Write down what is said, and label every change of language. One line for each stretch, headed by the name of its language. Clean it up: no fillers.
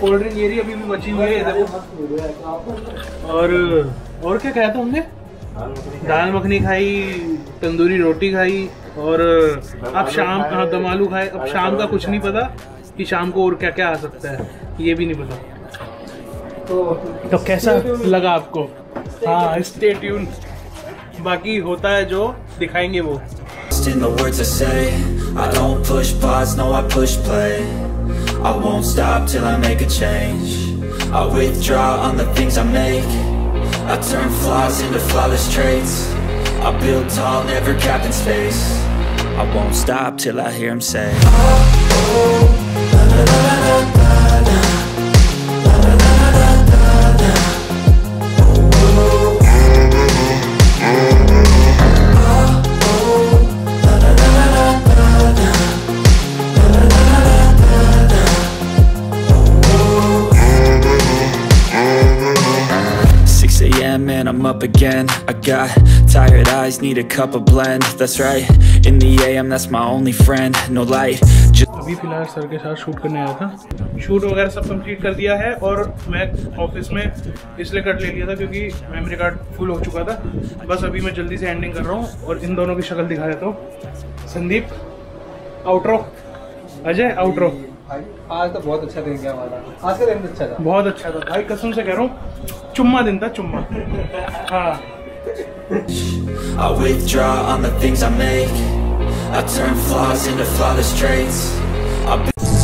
Hindi: Cold drink ये रही अभी भी बची हुई है. और क्या खाया था हमने, दाल मखनी खाई, तंदूरी रोटी खाई और अब शाम का दम आलू खाए. अब शाम का कुछ नहीं पता कि शाम को और क्या क्या आ सकता है, ये भी नहीं पता. तो कैसा लगा आपको? हाँ, स्टे ट्यून. बाकी होता है जो दिखाएंगे वो.
English: In the words I say, I don't push pause, no, I push play. I won't stop till I make a change. I withdraw on the things I make. I turn flaws into flawless traits. I build tall, never capped in space. I won't stop till I hear him say, oh, oh, la, la, la, la. Man, I'm up again. I got tired eyes, need a cup of blend. That's right, in the AM, that's my only friend. No light, just
Hindi: अभी फिलहाल sir के साथ shoot करने आया था. Shoot वगैरह सब complete कर दिया है और मैं ऑफिस में इसलिए कट ले लिया था क्योंकि मेमोरी कार्ड फुल हो चुका था. बस अभी मैं जल्दी से एंडिंग कर रहा हूँ और इन दोनों की शक्ल दिखा देता हूँ. Sandeep outro, Ajay outro. आज तो बहुत अच्छा दिन गया हमारा. आज का दिन अच्छा था, बहुत अच्छा था भाई, कसम से कह रहा हूँ. चुम्मा दिन था, चुम्मा. हाँ.
English: I withdraw on the things I make. I turn flaws into flawless traits.